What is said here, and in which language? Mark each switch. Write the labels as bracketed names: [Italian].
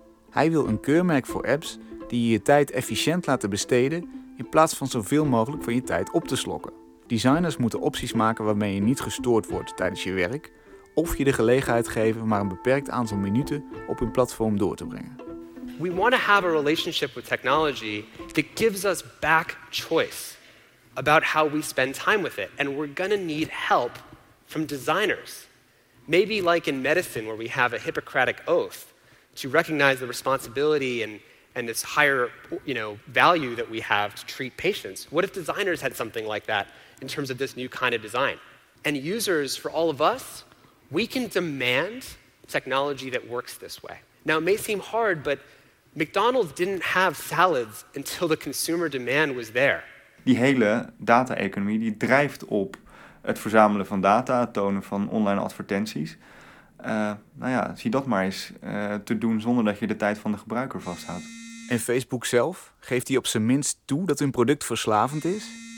[Dutch] Hij wil een keurmerk voor apps die je tijd efficiënt laten besteden in plaats van zoveel mogelijk van je tijd op te slokken. Designers moeten opties maken waarmee je niet gestoord wordt tijdens je werk of je de gelegenheid geven maar een beperkt aantal minuten op hun platform door te brengen. [English] We want to have a relationship with technology that gives us back choice about how we spend time with it. And we're gonna need help from designers. Maybe like in medicine, where we have a Hippocratic oath to recognize the responsibility and this higher, you know, value that we have to treat patients. What if designers had something like that in terms of this new kind of design? And users, for all of us, we can demand technology that works this way. Now, it may seem hard, but McDonald's didn't have salads until the consumer demand was there. [Dutch] Die hele data-economie die drijft op het verzamelen van data, het tonen van online advertenties. Zie dat maar eens te doen zonder dat je de tijd van de gebruiker vasthoudt. En Facebook zelf? Geeft hij op zijn minst toe dat hun product verslavend is?